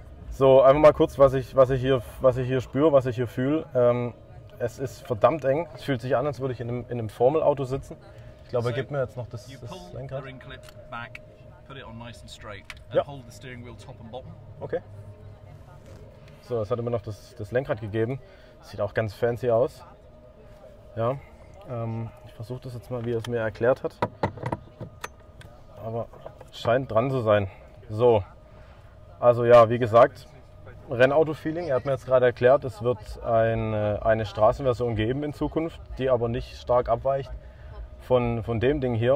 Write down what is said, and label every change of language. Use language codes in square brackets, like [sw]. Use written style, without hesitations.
[de] So, einfach mal kurz, was ich hier spüre, was ich hier fühle. Es ist verdammt eng. Es fühlt sich an, als würde ich in einem Formel-Auto sitzen. Ich glaube, er gibt mir jetzt noch das Lenkrad. [en] Ring clip back, put it on nice and straight and ja. Hold the steering wheel top and bottom. Okay. [de] So, es hat immer noch das Lenkrad gegeben. Sieht auch ganz fancy aus. Ja, ich versuche das jetzt mal, wie er es mir erklärt hat. Aber scheint dran zu sein. So. Also ja, wie gesagt, Rennauto-Feeling. Er hat mir jetzt gerade erklärt, es wird eine Straßenversion geben in Zukunft, die aber nicht stark abweicht von dem Ding hier.